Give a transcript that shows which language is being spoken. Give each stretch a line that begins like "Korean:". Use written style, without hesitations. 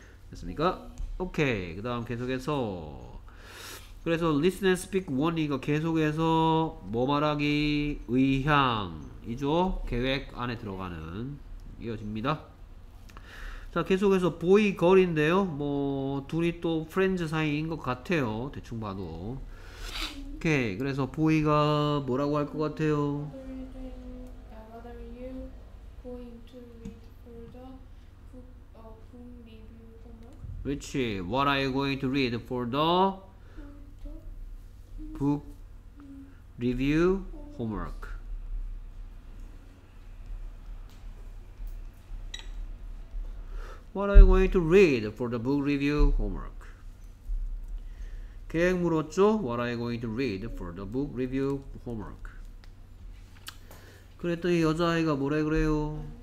Korean: 됐습니까? 오케이. 그 다음 계속해서 그래서 listen and speak 1이가 계속해서 뭐 말하기 의향이죠. 계획 안에 들어가는 이어집니다. 자 계속해서 보이 걸인데요. 뭐 둘이 또 프렌즈 사이인 것 같아요. 대충 봐도. 오케이. 그래서 보이가 뭐라고 할 것 같아요?
English: What are you going to read for the book of whom maybe you come up? Which what are you going to read for the book review homework? What are you going to read for the book review homework?
Korean: 계획 물었죠?
English: What are you going to read for the book review homework?
Korean: 그랬더니 여자아이가 뭐래 그래요?